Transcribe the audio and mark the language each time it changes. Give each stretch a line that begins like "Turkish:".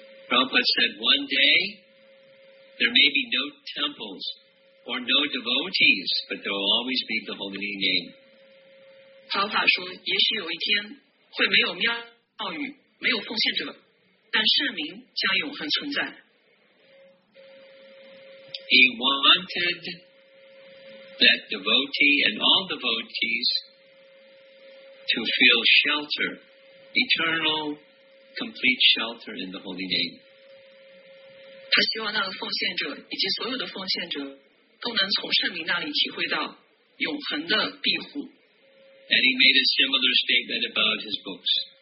English: Prabhupada said, one day there may be no temples or no devotees, but there will always be the holy name.
Chinese: 跑法说，也许有一天会没有庙宇，没有奉献者，但圣名将永恒存在。
English: He wanted that devotee and all devotees to feel shelter, eternal, complete shelter in the holy name. And he made a similar statement about his books.